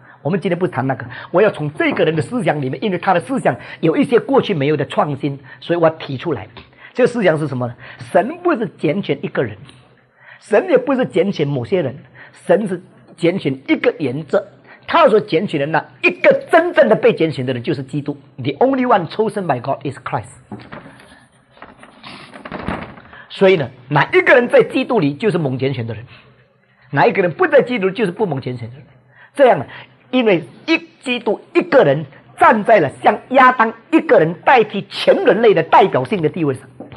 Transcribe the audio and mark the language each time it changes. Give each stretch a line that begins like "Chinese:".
Chinese: 我们今天不谈那个，我要从这个人的思想里面，因为他的思想有一些过去没有的创新，所以我提出来。这个思想是什么呢？神不是拣选一个人，神也不是拣选某些人，神是拣选一个原则。他所拣选的那一个真正的被拣选的人就是基督。
English: The only one chosen by God is Christ。
Chinese: 所以呢，哪一个人在基督里就是蒙拣选的人，哪一个人不在基督里就是不蒙拣选的人。这样呢，因为一基督一个人站在了像亚当一个人代替全人类的代表性的地位上。